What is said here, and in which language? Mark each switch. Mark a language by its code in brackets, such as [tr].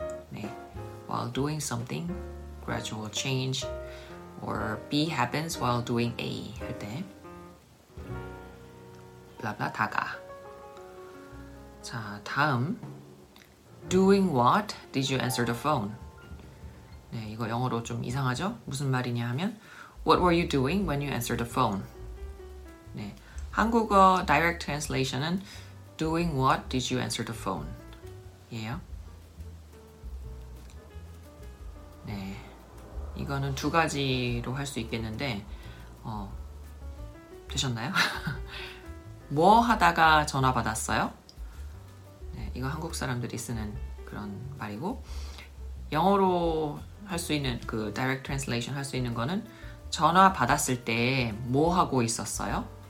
[en] 네, while doing something, gradual change, or B happens while doing A [ko] 할 때, 블라블라 다가. 자, 다음. [en] Doing what did you answer the phone? [ko] 네, 이거 영어로 좀 이상하죠? 무슨 말이냐 하면 [en] What were you doing when you answered the phone? [ko] 네, 한국어 [en] direct translation은 Doing what did you answer the phone? [ko] 예요? 네, 이거는 두 가지로 할 수 있겠는데 되셨나요? 뭐 하다가 전화 받았어요? 네, 이거 한국 사람들이 쓰는 그런 말이고 영어로 할 수 있는 그 direct translation 할 수 있는 거는 전화 받았을 때 뭐 하고 있었어요?